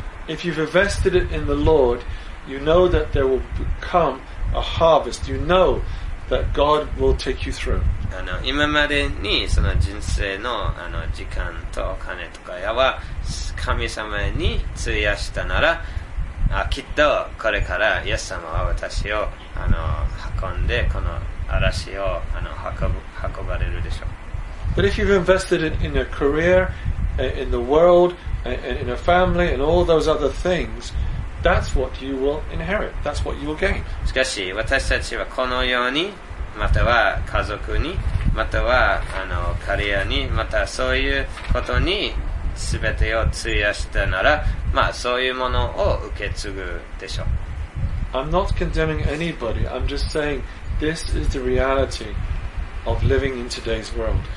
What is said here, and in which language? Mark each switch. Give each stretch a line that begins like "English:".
English: If you've invested it in the Lord, you know that there will become a harvest. You know that God will take you through.
Japanese: 今までにその人生の、時間とお金とかやは神様に費やしたなら、きっとこれからイエス様は私を運んでこの嵐を運ばれるでしょう。
English: But if you've invested in a career, in the world, in a family, and all those other things, that's what you will inherit. That's what you will gain.
Japanese: しかし私たちはこのようにまたは家族にまたはカリアにまたそういうことに全てを費やしたなら、そういうものを受け継ぐでしょう。
English: I'm not condemning anybody. I'm just saying this is the reality of living in today's world.